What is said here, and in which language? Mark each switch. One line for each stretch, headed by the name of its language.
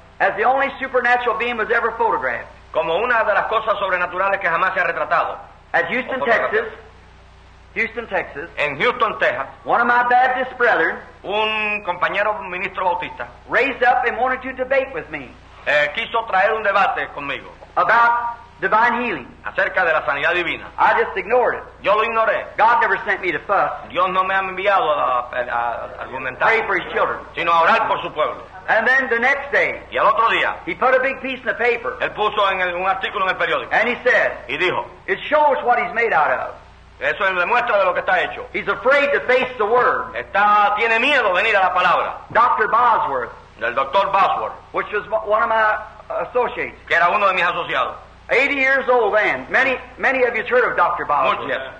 English: as the only supernatural being was ever photographed
Spanish: como una de las cosas sobrenaturales que jamás se ha retratado
English: at Houston, Texas.
Spanish: En Houston, Texas.
English: One of my Baptist brethren.
Spanish: Un compañero ministro bautista.
English: Raised up and wanted to debate with me.
Spanish: Quiso traer un debate conmigo.
English: About divine healing.
Spanish: Acerca de la sanidad divina.
English: I just ignored it.
Spanish: Yo lo ignoré.
English: God never sent me to fuss.
Spanish: Dios no me ha enviado a argumentar.
English: Pray for his children.
Spanish: Sino a orar por su pueblo.
English: And then the next day.
Spanish: Y al otro día.
English: He put a big piece in the paper.
Spanish: Él puso un artículo en el periódico.
English: And he said.
Spanish: Y dijo.
English: It shows what he's made out of.
Spanish: Eso es demuestra de lo que está hecho.
English: He's afraid to face the word.
Spanish: Tiene miedo venir a la palabra.
English: Dr. Bosworth.
Spanish: Del Dr. Bosworth.
English: Which was one of my associates.
Spanish: Que era uno de mis asociados.
English: 80 years old then. Many of you have heard of Dr. Bosworth.